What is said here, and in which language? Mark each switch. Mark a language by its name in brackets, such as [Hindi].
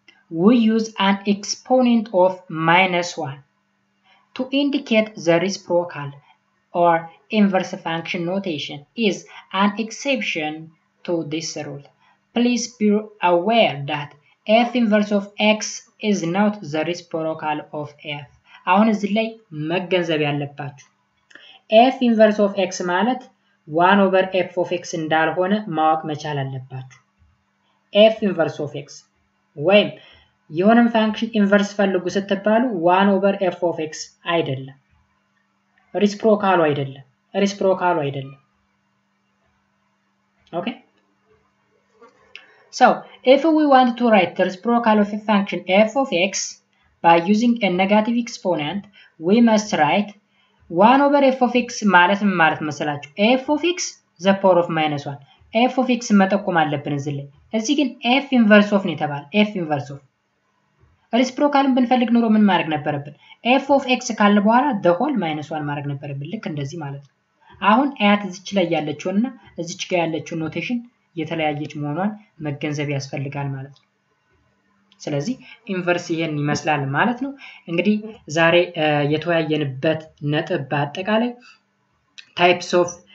[English] we use an exponent of minus 1 to indicate the reciprocal or inverse function notation is an exception to this rule. Please be aware that f inverse of x is not the reciprocal of f. [Amharic] አሁን እዚህ ላይ መገንዘብ ያለባችሁ f inverse of x ማለት 1 over f of x እንዳልሆነ ማወቅ መቻል አለባችሁ። f inverse of x ወይም የሆነም ፋንክሽን ኢንቨርስ ፈልጉ ስትባሉ 1 over f of x አይደለም። ሪሲፕሮካሉ አይደለም። ሪሲፕሮካሉ አይደለም። ኦኬ? [English] So, if we want to write the reciprocal of a function f of x by using a negative exponent, we must write 1 over f of x [Amharic] ማለት ምን ማለት መሰላችሁ? [English] f of x the power of minus 1. [Amharic] f of x መጠቆም አለብን እዚህ ላይ። እዚህ ግን f inverse of ነው የተባለው። f inverse of. ሪሲፕሮካልን ብንፈልግ ኖሮ ምን ማድረግ ነበርብን? f of x ካለ በኋላ [English] the whole minus 1 [Amharic] ማድረግ ነበርብን ልክ እንደዚህ ማለት ነው። አሁን አያት እዚች ላይ ያለችውና እዚች ጋር ያለችው notation የተለያየች መሆኗን መገንዘብ ያስፈልጋል ማለት ነው። ስለዚህ ኢንቨርስ ይሄን ይመስላል ማለት ነው። እንግዲህ ዛሬ የተወያየንበት ነጥብ በአጠቃላይ types of